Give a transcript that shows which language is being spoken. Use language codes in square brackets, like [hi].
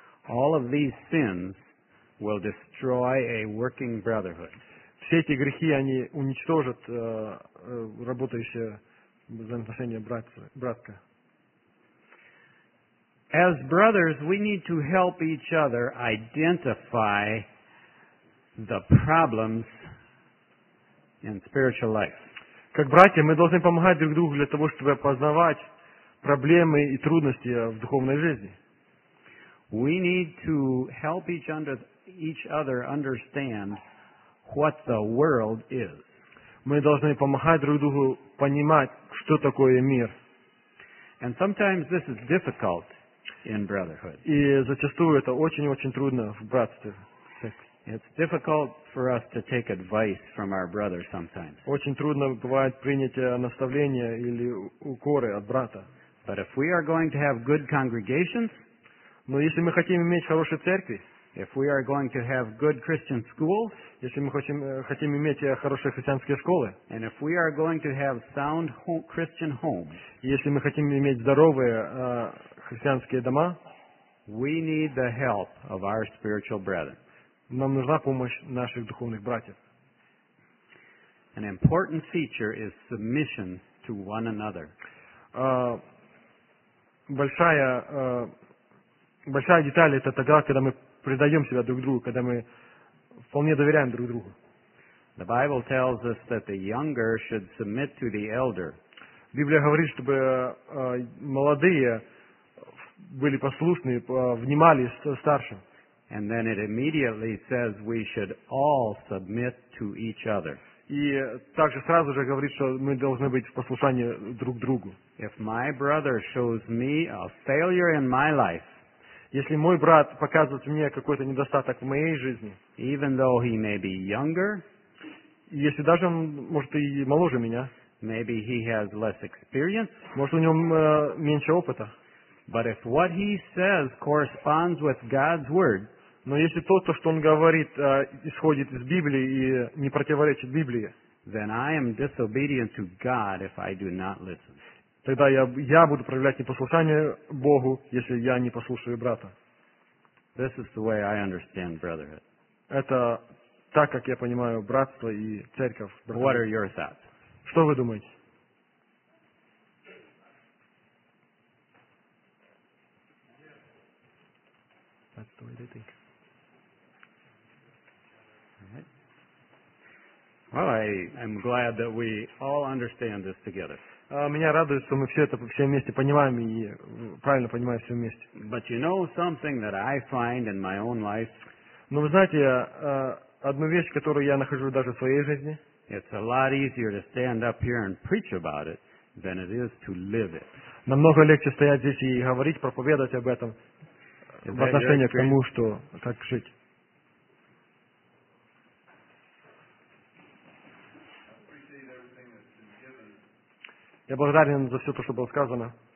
[en] All of these sins will destroy a working brotherhood. [ru] Все эти грехи, они уничтожат работающие взаимоотношения братка. [en] As brothers, we need to help each other identify the problems in spiritual life. [ru] Как братья, мы должны помогать друг другу для того, чтобы опознавать проблемы и трудности в духовной жизни. [en] We need to help each other understand what the world is. [ru] Мы должны помогать друг другу понимать, что такое мир. [en] And sometimes this is difficult. In brotherhood. [ru] И зачастую это очень-очень трудно в братстве. [en] It's difficult for us to take advice from our brother sometimes. [ru] Очень трудно бывает принять наставления или укоры от брата. [en] But if we are going to have good congregations, [ru] но если мы хотим иметь хорошие церкви, [en] if we are going to have good Christian schools, [ru] если мы хотим иметь хорошие христианские школы, [en] and if we are going to have sound Christian homes, [ru] если мы хотим иметь здоровые христианские дома, [en] we need the help of our spiritual brethren. [ru] Нам нужна помощь наших духовных братьев. [en] An important feature is submission to one another. [ru] Большая деталь это тогда, когда мы предаем себя друг другу, когда мы вполне доверяем друг другу. [en] The Bible tells us that the younger should submit to the elder. [ru] Библия говорит, чтобы молодые были послушны, внимали старшим. [en] And then it immediately says we should all submit to each other. [ru] И также сразу же говорит, что мы должны быть в послушании друг другу. [en] If my brother shows me a failure in my life, [ru] если мой брат показывает мне какой-то недостаток в моей жизни, [en] even though he may be younger, [ru] если даже он может и моложе меня, [en] maybe he has less experience, [ru] может у него меньше опыта. [en] But if what he says corresponds with God's word, [ru] но если то, что он говорит, исходит из Библии и не противоречит Библии, [en] then I am disobedient to God if I do not listen. [ru] Тогда я буду проявлять непослушание Богу, если я не послушаю брата. [en] This is the way I understand brotherhood. [ru] Это так, как я понимаю братство и церковь. [en] What are your thoughts? [ru] Что вы думаете? [en] That's the way they think. Well, I'm glad that we all understand this together. [ru] Меня радует, что мы все это все вместе понимаем и правильно понимаем все вместе. [en] But you know something that I find in my own life? [ru] Но вы знаете, одну вещь, которую я нахожу даже в своей жизни? [en] It's a lot easier to stand up here and preach about it than it is to live it. [ru] Намного легче стоять здесь и говорить, проповедовать об этом в отношении к тому, что как жить. Я благодарен за все то, что было сказано.